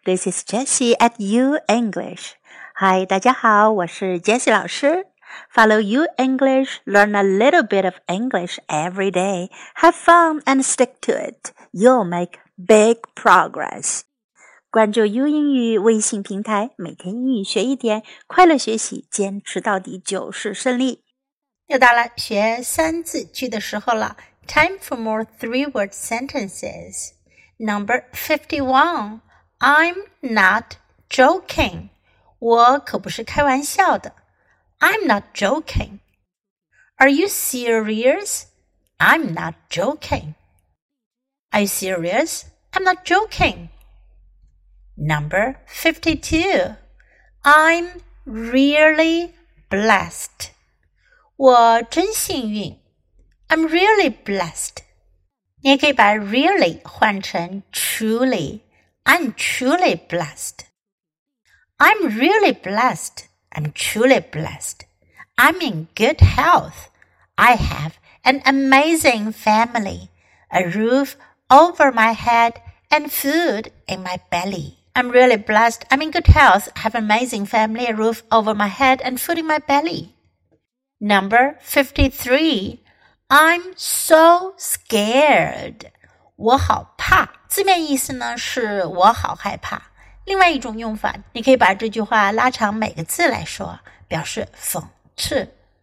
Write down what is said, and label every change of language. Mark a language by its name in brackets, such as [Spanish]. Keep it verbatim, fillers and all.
[English] This is Jessie at U English. [Chinese] Hi, 大家好，我是 Jessie 老师。 [English] Follow U English, learn a little bit of English every day. Have fun and stick to it. You'll make big progress. [Chinese] 关注 U 英语微信平台，每天英语学一点，快乐学习，坚持到底就是胜利。又到了学三字句的时候了 [English] Time for more three-word sentences. Number fifty-one. I'm not joking. [Chinese] 我可不是开玩笑的。 [English] I'm not joking. Are you serious? I'm not joking. Are you serious? I'm not joking. Number fifty-two. I'm really blessed. [Chinese] 我真幸运 [English] I'm really blessed. [Chinese] 你也可以把 really 换成 truly. [English] I'm truly blessed. I'm really blessed. I'm truly blessed. I'm in good health. I have an amazing family. A roof over my head and food in my belly. I'm really blessed. I'm in good health. I have an amazing family. A roof over my head and food in my belly. Number fifty-three, I'm so scared. [Chinese] 我好怕。字面意思呢是我好害怕。另外一种用法，你可以把这句话拉长每个字来说，表示讽刺。